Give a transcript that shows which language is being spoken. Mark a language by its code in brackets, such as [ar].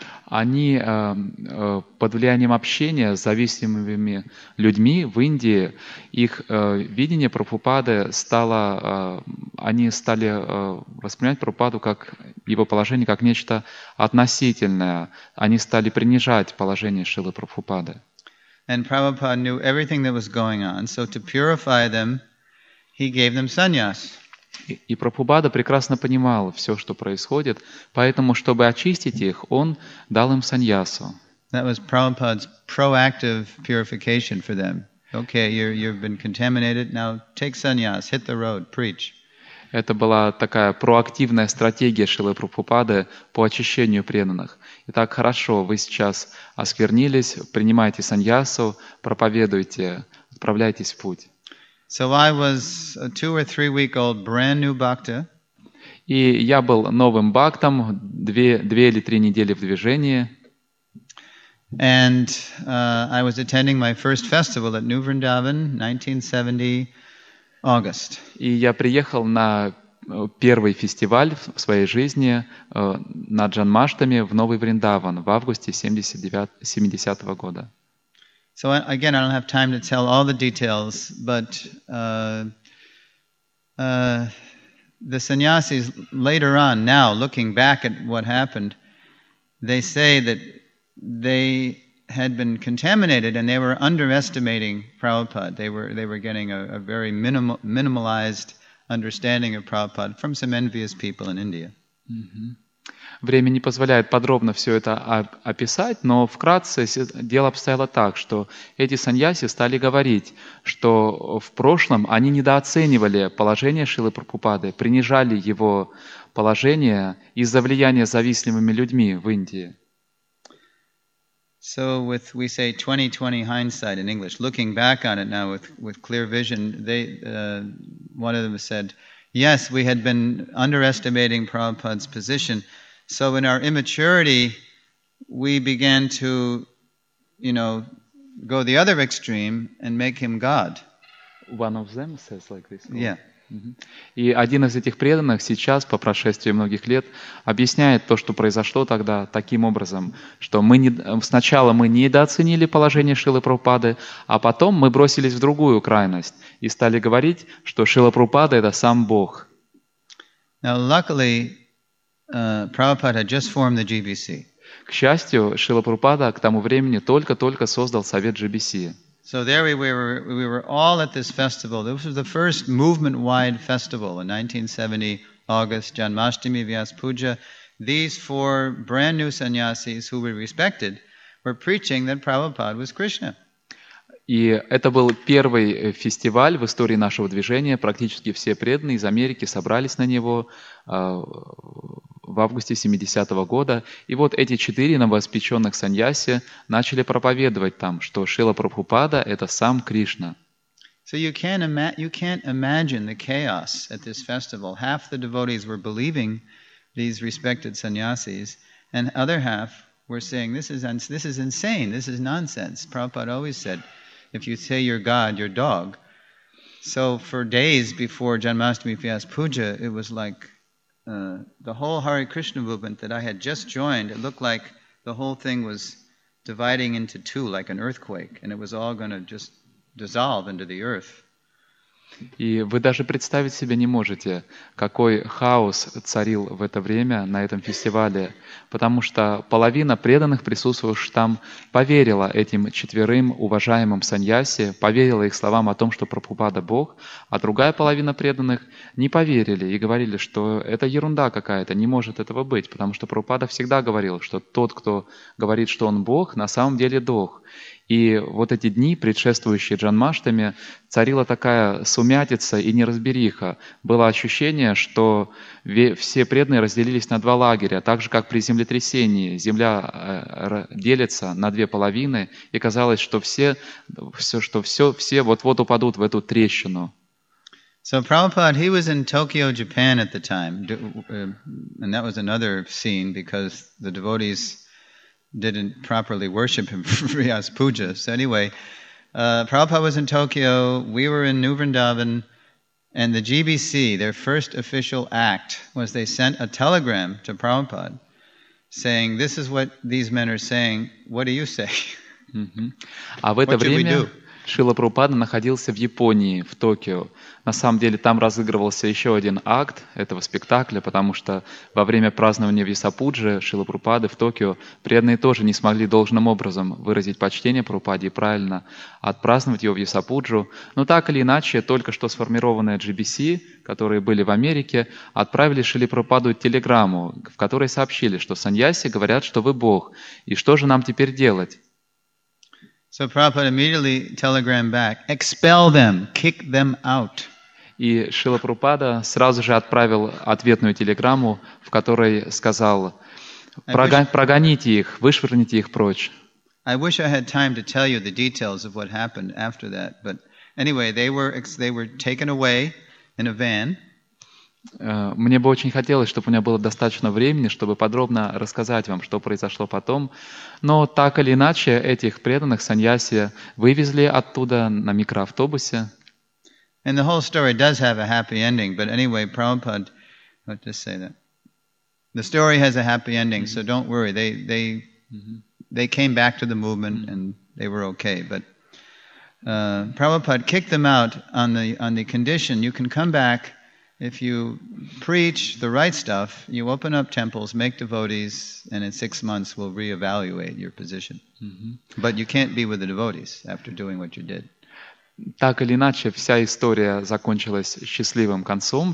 [ru] они под влиянием общения с зависимыми людьми в Индии, их видение Прабхупады стало, они стали воспринимать Прабхупаду как его положение, как нечто относительное. Они стали принижать положение Шрилы Прабхупады. [en] And Prabhupada knew everything that was going on, so to purify them, he gave them sannyas. [ru] И Прабхупада прекрасно понимал все, что происходит, поэтому, чтобы очистить их, он дал им саньясу. [en] That was Prabhupada's proactive purification for them. Okay, you've been contaminated, now take sannyas, hit the road, preach. [ru] Это была такая проактивная стратегия Шрилы Прабхупады по очищению преданных. Итак, хорошо, вы сейчас осквернились, принимайте саньясу, проповедуйте, отправляйтесь в путь. [en] So I was a 2 or 3 week old brand new bhakta. [ru] И я был новым бхактом, 2 или 3 недели в движении. [en] And I was attending my first festival at New Vrindavan, 1970 August. [ru] И я приехал на первый фестиваль в своей жизни на Джанмаштами в Новый Вриндаван в августе 70-го года. [en] So again, I don't have time to tell all the details, but the sannyasis later on, now looking back at what happened, they say that they had been contaminated and they were underestimating Prabhupada. They were getting a very minimalized understanding of Prabhupada from some envious people in India. Mm-hmm. [ru] Время не позволяет подробно все это описать, но вкратце дело обстояло так, что эти саньяси стали говорить, что в прошлом они недооценивали положение Шрилы Прабхупады, принижали его положение из-за влияния зависимыми людьми в Индии. [en] So with, we say, 20-20 hindsight in English, looking back on it now with clear vision, one of them said, yes, we had been underestimating Prabhupada's position. So in our immaturity, we began to, you know, go the other extreme and make him God. One of them says like this. Oh. Yeah. Mm-hmm. [ru] И один из этих преданных сейчас, по прошествии многих лет, объясняет то, что произошло тогда таким образом, что сначала мы недооценили положение Шрилы Прабхупады, а потом мы бросились в другую крайность и стали говорить, что Шрила Прабхупада — это сам Бог. [en] Now, luckily, Prabhupada had just formed the GBC. [ru] К счастью, Шрила Прабхупада к тому времени только-только создал совет GBC. [en] So there we were all at this festival. This was the first movement-wide festival in 1970 August, Janmashtami, Vyas Puja. These 4 brand new sannyasis, who we respected, were preaching that Prabhupada was Krishna. [ru] И это был первый фестиваль в истории нашего движения. Практически все преданные из Америки собрались на него в августе 70-го года. И вот эти 4 новоспеченных саньяси начали проповедовать там, что Шрила Прабхупада — это сам Кришна. [en] So you can't imagine the chaos at this festival. Half the devotees were believing these respected sannyasis, and other half were saying, this is insane, this is nonsense. Prabhupada always said, if you say you're God, you're dog. So for days before Janmashtami Vyas Puja, it was like the whole Hare Krishna movement that I had just joined, it looked like the whole thing was dividing into 2, like an earthquake, and it was all going to just dissolve into the earth. [ru] И вы даже представить себе не можете, какой хаос царил в это время на этом фестивале, потому что половина преданных, присутствовавших там, поверила этим 4 уважаемым саньяси, поверила их словам о том, что Прабхупада — Бог, а другая половина преданных не поверили и говорили, что это ерунда какая-то, не может этого быть, потому что Прабхупада всегда говорил, что тот, кто говорит, что он Бог, на самом деле Дог. И вот эти дни, предшествующие Джанмаштами, царила такая сумятица и неразбериха. Было ощущение, что все преданные разделились на 2 лагеря, так же, как при землетрясении. Земля делится на 2 половины, и казалось, что все вот-вот упадут в эту трещину. [en] So Prabhupada, he was in Tokyo, Japan at the time. And that was another scene, because the devotees didn't properly worship him for Vyas Puja. So anyway, Prabhupada was in Tokyo, we were in New Vrindavan, and the GBC, their first official act, was they sent a telegram to Prabhupada saying, this is what these men are saying, what do you say? [ru] А в это время Шрила Прабхупада находился в Японии, в Токио. На самом деле там разыгрывался еще один акт этого спектакля, потому что во время празднования Висапуджи Шрила Прабхупады в Токио преданные тоже не смогли должным образом выразить почтение Прабхупаде и правильно отпраздновать его в Висапуджу. Но так или иначе, только что сформированные GBC, которые были в Америке, отправили Шрила Прабхупаду телеграмму, в которой сообщили, что саньяси говорят, что вы Бог, и что же нам теперь делать? [en] So Prabhupada immediately telegrammed back, expel them, kick them out. [ru] И Шрила Прабхупада сразу же отправил ответную телеграмму, в которой сказал, прогоните их, вышвырните их прочь. [en] I wish I had time to tell you the details of what happened after that, but anyway, they were taken away in a van. [ru] Мне бы очень хотелось, чтобы у меня было достаточно времени, чтобы подробно рассказать вам, что произошло потом. Но так или иначе, этих преданных саньяси вывезли оттуда на микроавтобусе. [en] And the whole story does have a happy ending, but anyway, Prabhupada, let's just say that. The story has a happy ending, so don't worry. They came back to the movement and they were okay, but Prabhupada kicked them out on the condition you can come back. If you preach the right stuff, you open up temples, make devotees, and in 6 months we'll reevaluate your position. But you can't be with the devotees after doing what you did. [ru] Так или иначе, вся история закончилась счастливым концом.